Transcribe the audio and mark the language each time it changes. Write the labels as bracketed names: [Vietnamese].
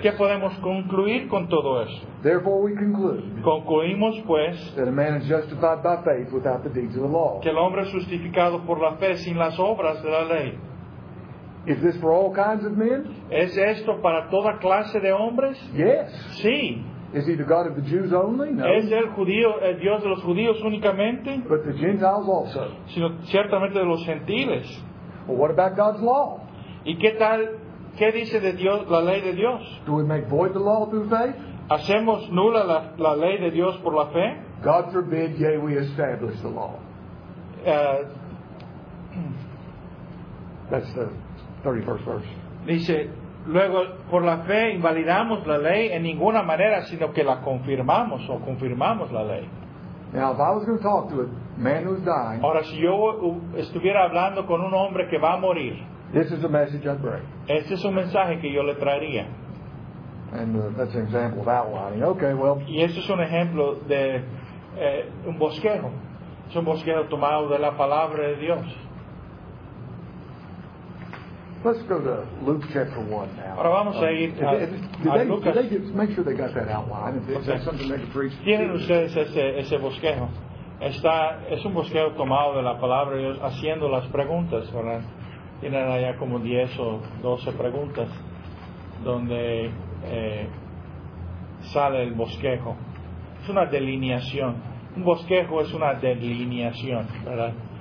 [Spanish] ¿Qué podemos concluir con todo esto? [English] Therefore we conclude. [Spanish] Concluimos pues. [English] That a man is justified by faith without the deeds of the law. [Spanish] Que el hombre es justificado por la fe sin las obras de la ley. [English] Is this for all kinds of men? [Spanish] ¿Es esto para toda clase de hombres? [English] Yes. [Spanish] Sí. [English] Is he the God of the Jews only? No. [Spanish] ¿Es el judío, el Dios de los judíos únicamente? [English] But the Gentiles also. [Spanish] Sino ciertamente de los gentiles. [English] Well, what about God's law? [Spanish] ¿Y qué tal, qué dice de Dios, la ley de Dios? [English] Do we make void the law through faith? [Spanish] ¿Hacemos nula la ley de Dios por la fe? [English] God forbid, yea, we establish the law. That's the 31st verse. [Spanish] Dice, luego, por la fe invalidamos la ley en ninguna manera, sino que la confirmamos o confirmamos la ley. [English] Now, if I was going to talk to a man who's dying, [Spanish] ahora, si yo estuviera hablando con un hombre que va a morir, [English] this is a message I'd bring. [Spanish] Este es un mensaje que yo le traería. [English] And that's an example of outlining. Okay, well. [Spanish] Y este es un ejemplo de un bosquejo. Es un bosquejo tomado de la palabra de Dios. [English] Let's go to Luke chapter 1 now. [Spanish] Ahora vamos a ir Lucas. [English] Did they just make sure they got that outline? Is okay. That something they could preach? [Spanish] Tienen ustedes ese bosquejo. Es un bosquejo tomado de la palabra de Dios, haciendo las preguntas, ¿verdad? Tienen allá como 10 o 12 preguntas, donde sale el bosquejo. Es una delineación. Un bosquejo es una delineación, ¿verdad?